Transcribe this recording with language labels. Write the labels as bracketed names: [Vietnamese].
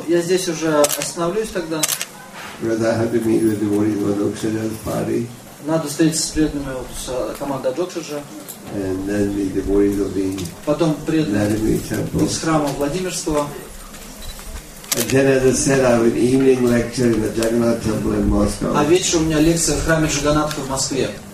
[Russian] Ну, я здесь уже остановлюсь тогда. [English] Because I have to meet with the devotees of Adokshara's party. [Russian] Надо встретиться с преданными с командой Адокшаджа. [English] And then the devotees of the [Russian] потом преданные из храма Владимирского. [English] And then, as I said, I have an evening lecture in the Jagannath Temple in Moscow. [Russian] А вечером у меня лекция в храме Джаганнатха в Москве.